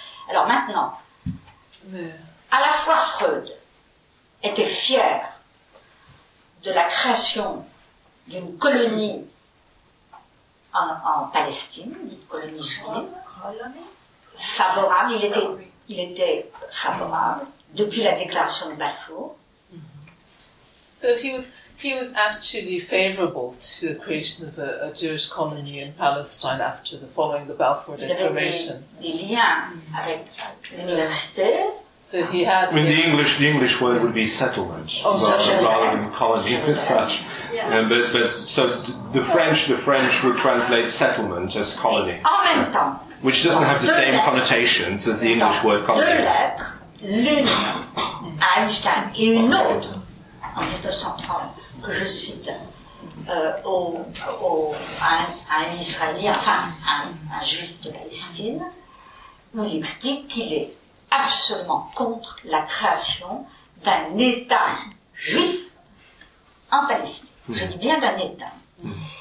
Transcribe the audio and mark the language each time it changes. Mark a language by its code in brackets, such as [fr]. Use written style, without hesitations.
[fr] Alors maintenant, à la fois Freud était fier de la création d'une colonie en Palestine, une colonie juive, favorable. Il était favorable depuis la déclaration de Balfour. [en] He was actually favorable to the creation of a Jewish colony in Palestine after the following the Balfour Declaration. So he had. I mean, the English word would be settlement rather than colony as such. Yes. And the French would translate settlement as colony. [fr] En même temps. [en] Which doesn't have the same connotations as the English word colony. [fr] Deux lettres, l'une à Einstein et une autre en 1930. Que je cite à un Israélien, enfin un juif de Palestine, où il explique qu'il est absolument contre la création d'un État juif en Palestine. Mmh. Je dis bien d'un État. Mmh.